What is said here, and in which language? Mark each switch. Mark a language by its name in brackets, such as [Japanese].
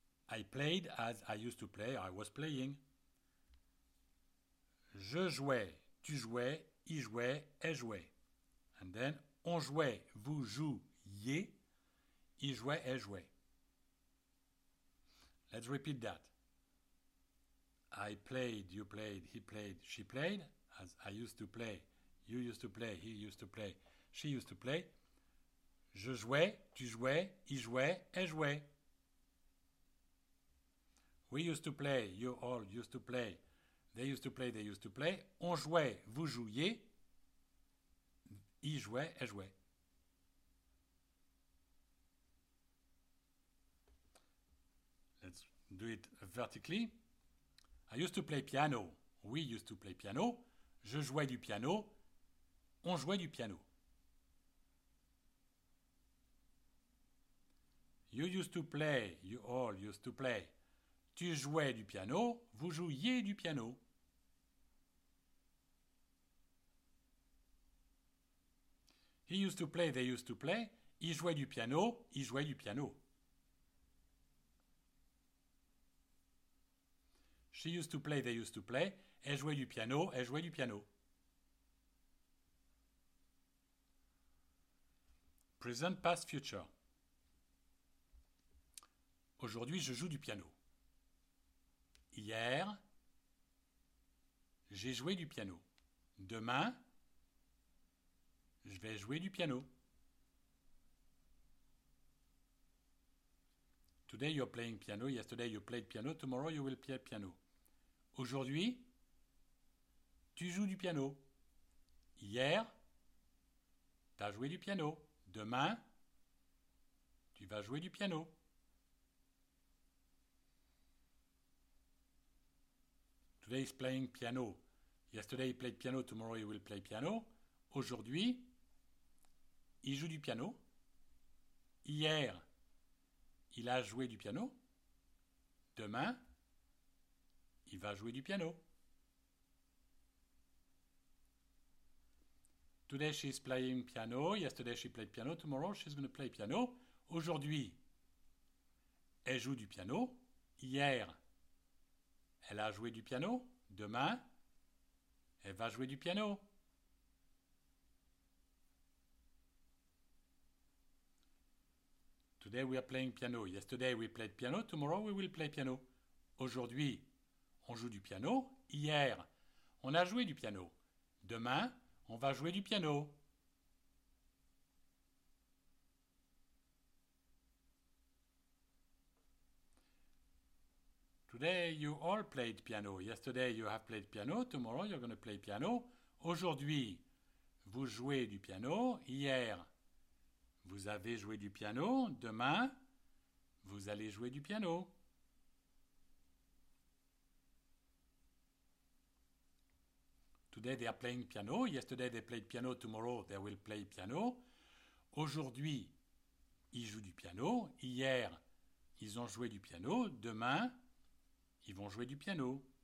[English] I played as I used to play, I was playing. [French] Je jouais, tu jouais, il jouait, elle jouait. [English] And then, [French] on jouait, vous jouiez, il jouait, elle jouait. [English] Let's repeat that. I played, you played, he played, she played. As I used to play, you used to play, he used to play, she used to play. [French] Je jouais, tu jouais, il jouait, elle jouait. [English] We used to play, you all used to play. They used to play, they used to play. [French] On jouait, vous jouiez. Il jouait, elle jouait. [English] Let's do it vertically. I used to play piano. We used to play piano. [French] Je jouais du piano. On jouait du piano. [English] You used to play, you all used to play. [French] Tu jouais du piano, vous jouiez du piano. [English] He used to play, they used to play. [French] Il jouait du piano, il jouait du piano. [English] She used to play, they used to play. [French] Elle jouait du piano, elle jouait du piano. [English] Present, past, future. [French] Aujourd'hui, je joue du piano. Hier, j'ai joué du piano. Demain, je vais jouer du piano. [English] Today, you're playing piano. Yesterday, you played piano. Tomorrow, you will play piano. [French] Aujourd'hui, tu joues du piano. Hier, tu as joué du piano. Demain, tu vas jouer du piano. [English] Today he's playing piano. Yesterday he played piano, tomorrow he will play piano. [French] Aujourd'hui, il joue du piano. Hier, il a joué du piano. Demain, il va jouer du piano. [English] Today she's playing piano. Yesterday she played piano, tomorrow she's going to play piano. [French] Aujourd'hui, elle joue du piano. Hier, elle a joué du piano. Demain, elle va jouer du piano. [English] Today we are playing piano. Yesterday we played piano. Tomorrow we will play piano. [French] Aujourd'hui, on joue du piano. Hier, on a joué du piano. Demain, on va jouer du piano. [English] Today you all played piano. Yesterday you have played piano. Tomorrow you're going to play piano. [French] Aujourd'hui, vous jouez du piano. Hier, vous avez joué du piano. Demain, vous allez jouer du piano. [English] Today they are playing piano. Yesterday they played piano. Tomorrow they will play piano. [French] Aujourd'hui, ils jouent du piano. Hier, ils ont joué du piano. Demain, ils vont jouer du piano.